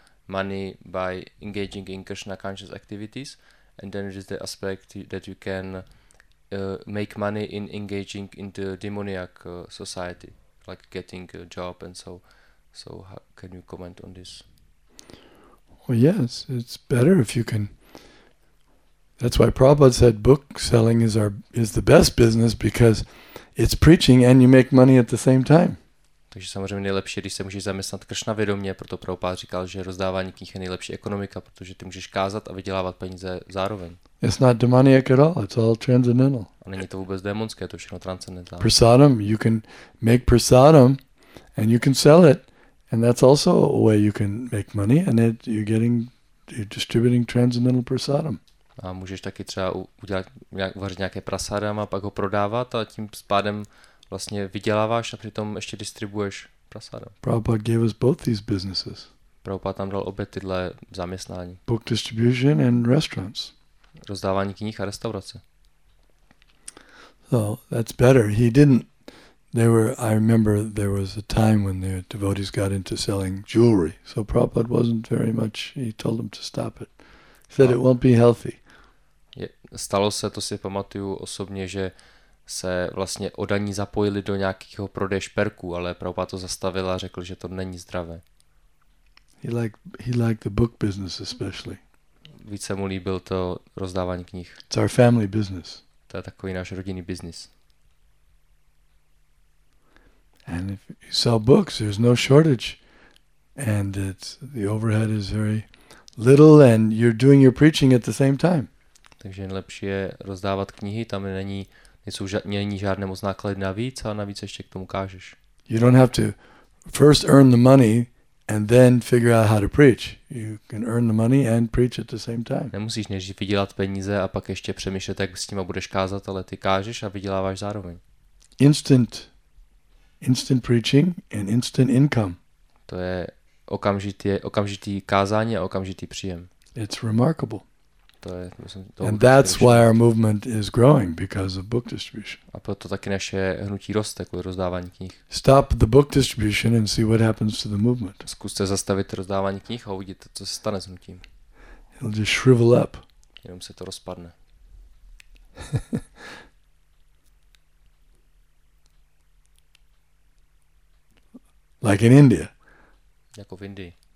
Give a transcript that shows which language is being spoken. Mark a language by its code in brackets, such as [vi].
[en] money by engaging in Krishna conscious activities, and then it is the aspect that you can make money in engaging in the demoniac society, like getting a job and so. So how can you comment on this? Well, yes, it's better if you can. That's why Prabhupada said book selling is the best business, because it's preaching and you make money at the same time. [cs] Takže samozřejmě nejlepší, když se můžeš zaměstnat Krishna vědomě, proto Prabhupada říkal, že rozdávání knih je nejlepší ekonomika, protože ty můžeš kázat a vydělávat peníze zároveň. [en] It's not demoniac at all, it's all transcendental. [cs] A není to vůbec démonské, to je všechno transcendentální. [en] Prasadam, you can make prasadam and you can sell it, and that's also a way you can make money, and it, you're distributing transcendental prasadam. [cs] A můžeš taky třeba udělat vařit nějaké prasadam a pak ho prodávat a tím pádem vlastně vyděláváš a přitom ještě distribuješ prasadam. [en] Prabhupada gave us both these businesses. [cs] Prabhupada tam dal obě tyhle zaměstnání. [en] Book distribution and restaurants. [cs] Rozdávání knih a restaurace. [en] So that's better. He didn't. I remember there was a time when the devotees got into selling jewelry. So Prabhupada wasn't very much. He told them to stop it. He said it won't be healthy. [cs] Stalo se, to si pamatuju osobně, že se vlastně odaní zapojili do nějakého prodeje šperků, ale Prabhupada to zastavil a řekl, že to není zdravé. [en] He liked the book business especially. [cs] Více mu líbil to rozdávání knih. [en] It's our family business. [cs] To je takový náš rodinný biznis. [en] And if you sell books, there's no shortage. And it's, the overhead is very little and you're doing your preaching at the same time. [cs] Takže nejlepší je rozdávat knihy, tam není není žádné moc náklady navíc a navíc ještě k tomu kážeš. [en] You don't have to first earn the money and then figure out how to preach. You can earn the money and preach at the same time. [cs] Nemusíš nejdřív vydělat peníze a pak ještě přemýšlet, jak s tím budeš kázat, ale ty kážeš a vyděláváš zároveň. [en] Instant preaching and instant income. [cs] To je okamžitý kázání a okamžitý příjem. [en] It's remarkable. [cs] To je, myslím, to [en] and that's why our movement is growing, because of book distribution. [cs] A proto taky naše hnutí roste kvůli rozdávání knih. [en] Stop the book distribution and see what happens to the movement. [cs] Zkuste zastavit rozdávání knih a uvidíte, co se stane s hnutím. [en] It'll just shrivel up. [cs] Jenom se to rozpadne. [en] Like in India. [cs] Jako v Indii.